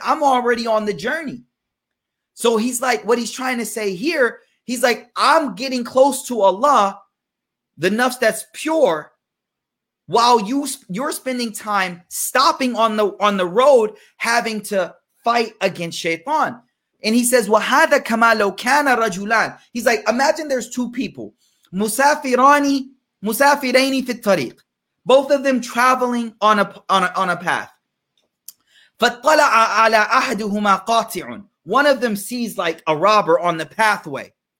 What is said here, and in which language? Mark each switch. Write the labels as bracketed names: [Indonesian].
[English] I'm already on the journey. So he's like, what he's trying to say here, he's like, I'm getting close to Allah, the nafs that's pure, while you're spending time stopping on the road, having to fight against shaitan. [Arabic] And he says, وَهَذَا كَمَا لَوْ كَانَ رَجُلًا. [English] He's like, imagine there's two people, [Arabic] مُسَافِرَانِ, مسافرين في الطريق, [English] both of them traveling on a path. [Arabic] فطلع على أحدهما قاطع, [English] one of them sees like a robber on the pathway.